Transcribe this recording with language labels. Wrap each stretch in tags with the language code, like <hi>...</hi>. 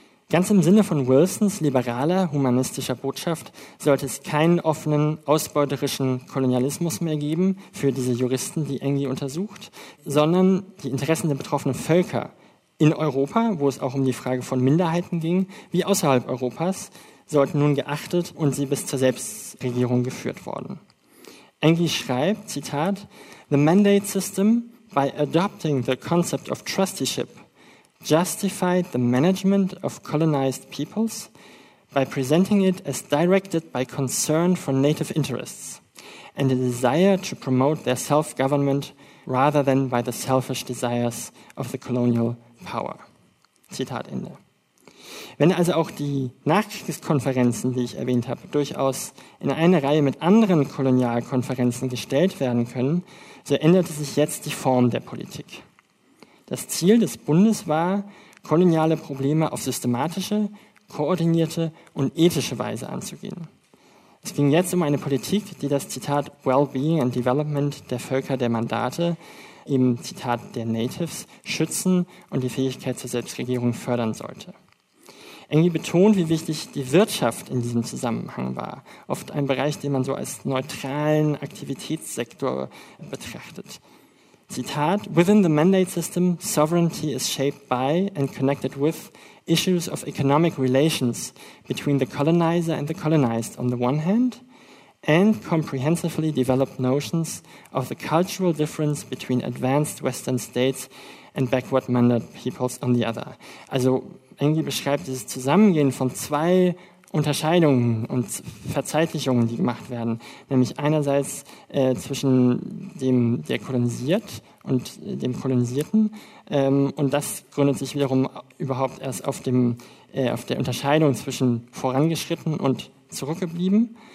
<de>Ganz im Sinne von Wilsons liberaler, humanistischer Botschaft sollte es keinen offenen, ausbeuterischen Kolonialismus mehr geben für diese Juristen, die Engie untersucht, sondern die Interessen der betroffenen Völker in Europa, wo es auch um die Frage von Minderheiten ging, wie außerhalb Europas, sollten nun geachtet und sie bis zur Selbstregierung geführt worden. Engie schreibt, Zitat,</de> <en>"The mandate system, by adopting the concept of trusteeship, justified the management of colonized peoples by presenting it as directed by concern for native interests and a desire to promote their self-government rather than by the selfish desires of the colonial power."</en> <de>Zitat Ende. Wenn also auch die Nachkriegskonferenzen, die ich erwähnt habe, durchaus in eine Reihe mit anderen Kolonialkonferenzen gestellt werden können, so änderte sich jetzt die Form der Politik. Das Ziel des Bundes war, koloniale Probleme auf systematische, koordinierte und ethische Weise anzugehen. Es ging jetzt um eine Politik, die das Zitat</de> <en>Well-being and Development</en> <de>der Völker der Mandate, im Zitat der Natives, schützen und die Fähigkeit zur Selbstregierung fördern sollte. Engi betont, wie wichtig die Wirtschaft in diesem Zusammenhang war, oft ein Bereich, den man so als neutralen Aktivitätssektor betrachtet.</de> <en>Zitat, within the mandate system, sovereignty is shaped by and connected with issues of economic relations between the colonizer and the colonized on the one hand and comprehensively developed notions of the cultural difference between advanced Western states and backward mandate peoples on the other.</en> <de>Also Engi beschreibt dieses Zusammengehen von zwei Unterscheidungen und Verzeitlichungen, die gemacht werden, nämlich einerseits zwischen dem, der kolonisiert und dem Kolonisierten. Und das gründet sich wiederum überhaupt erst auf der Unterscheidung zwischen vorangeschritten und zurückgeblieben.</de>